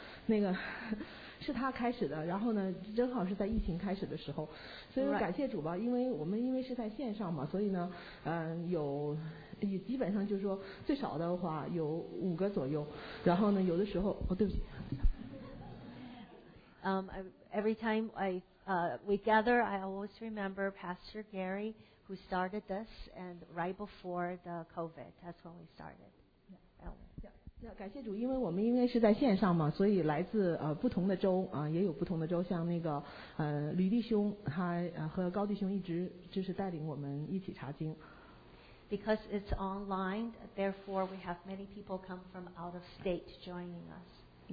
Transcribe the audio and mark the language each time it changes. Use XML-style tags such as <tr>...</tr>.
<zh>那个是他开始的，然后呢正好是在疫情开始的时候，所以感谢主吧，因为我们因为是在线上嘛，所以呢有也基本上就是说最少的话有五个左右，然后呢有的时候哦对不起。</zh> <en>Every time we gather, I always remember Pastor Gary who started this, and right before the COVID, that's when we started.</en> <zh>Yeah, 感谢主，因为我们因为是在线上嘛，所以来自不同的州啊，也有不同的州，像那个吕弟兄，他和高弟兄一直就是带领我们一起查经。</zh> <en>Because it's online, therefore we have many people come from out of state joining us.</en>